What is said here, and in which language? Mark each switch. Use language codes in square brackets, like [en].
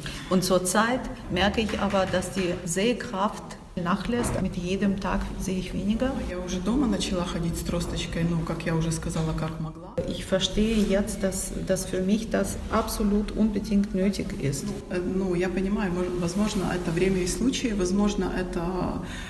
[de] Und zurzeit merke ich aber, dass die Sehkraft нахлест, mit jedem Tag sehe ich weniger. [ru] Я уже дома начала ходить с тросточкой, но, как я уже сказала, как могла. [de] Ich verstehe jetzt, dass für mich das absolut unbedingt nötig ist. [ru] Ну, я понимаю, возможно, это время и случай, возможно, это...